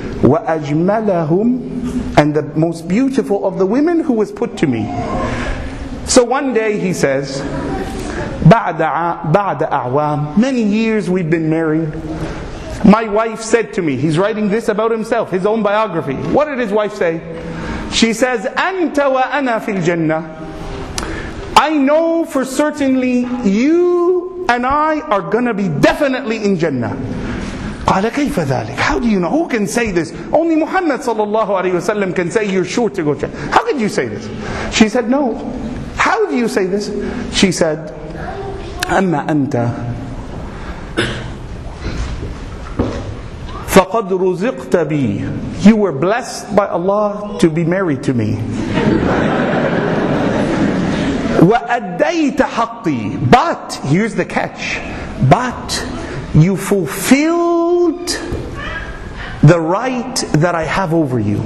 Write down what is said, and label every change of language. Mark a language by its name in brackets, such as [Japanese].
[Arabic] وَأَجْمَلَهُمْ. [English] And the most beautiful of the women who was put to me. So one day he says, [Arabic] بعد أعوام. [English] Many years we've been married. My wife said to me, he's writing this about himself, his own biography. What did his wife say? She says, [Arabic] أَنْتَ وَأَنَا فِي الْجَنَّةِ. [English] I know for certainly you and I are going to be definitely in Jannah. [Arabic] قَالَ كَيْفَ ذَلِكَ. [English] How do you know? Who can say this? Only Muhammad sallallahu alayhi wa sallam can say you're sure to go to Jannah. How could you say this? She said, no. How do you say this? She said, [Arabic] أَمَّا أَنْتَ فَقَدْ رُزِقْتَ بِي. [English] You were blessed by Allah to be married to me. [Arabic] وَأَدَّيْتَ حَقِّي. [English] But, here's the catch. But, you fulfilled the right that I have over you.